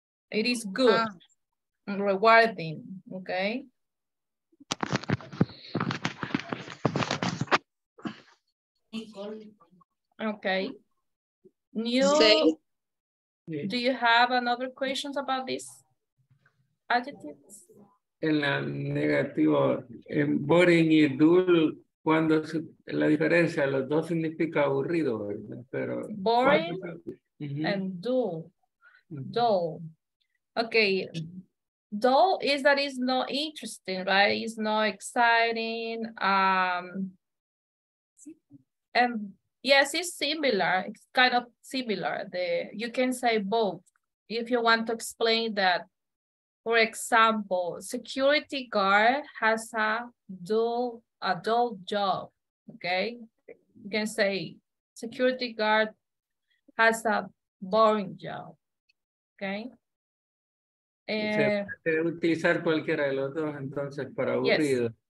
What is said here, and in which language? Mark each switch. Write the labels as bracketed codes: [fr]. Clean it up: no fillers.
[en] It is good, rewarding, okay? Okay. Do you have another questions about these adjectives? [es] En la negativa, en boring y dull, cuando la diferencia, los dos significa aburrido, pero... [en] Boring and dull. Dull. Okay. Dull is that it's not interesting, right? It's not exciting. And yes, it's similar. It's kind of similar. You can say both. If you want to explain that, for example, security guard has a dull job, okay? You can say security guard has a boring job, okay? [es] Se puede utilizar cualquiera de los dos, entonces, para aburrido.